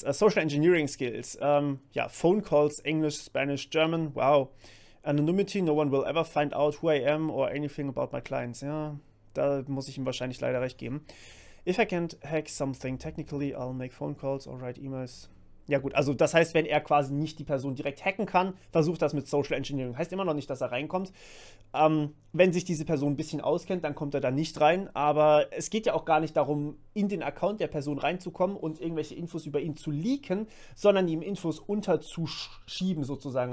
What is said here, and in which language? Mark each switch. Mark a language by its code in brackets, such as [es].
[en] Social Engineering Skills. Phone Calls, English, Spanish, German. Wow. Anonymity, no one will ever find out who I am or anything about my clients. [de] Ja, da muss ich ihm wahrscheinlich leider recht geben. [en] If I can't hack something technically, I'll make phone calls or write emails. [de] Ja gut, also das heißt, wenn er quasi nicht die Person direkt hacken kann, versucht das mit Social Engineering. Heißt immer noch nicht, dass er reinkommt. Wenn sich diese Person ein bisschen auskennt, dann kommt er da nicht rein. Aber es geht ja auch gar nicht darum, in den Account der Person reinzukommen und irgendwelche Infos über ihn zu leaken, sondern ihm Infos unterzuschieben sozusagen.